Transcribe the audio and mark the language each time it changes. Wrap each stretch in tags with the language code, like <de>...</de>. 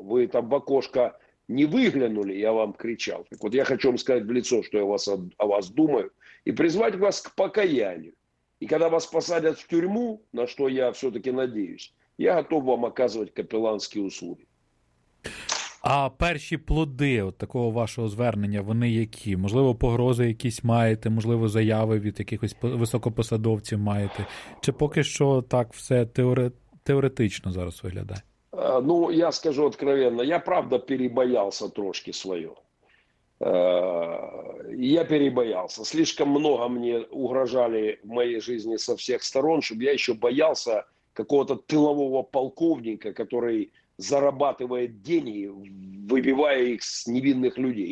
<ru>Вы там в окошко не выглянули, я вам кричал. Так вот, я хочу вам сказать в лицо, что я о вас думаю, и призвать вас к покаянию. И когда вас посадят в тюрьму, на что я все-таки надеюсь, я готов вам оказывать капеланские услуги.</ru> <uk>А перші плоди от такого вашого звернення, вони які? Можливо, погрози якісь маєте, можливо, заяви від якихось високопосадовців маєте? Чи поки що так все теоретично зараз виглядає?</uk> <ru>Ну, я скажу откровенно, я правда перебоялся</ru> <uk>трошки своє.</uk> <ru>Я перебоялся. Слишком много мені угрожали</ru> <uk>в моїй житті</uk> <ru>со всіх сторон,</ru> <uk>щоб я ще боявся</uk> <ru>какого-то тилового полковника, який зарабатывает деньги, выбивая их с невинных людей.</ru>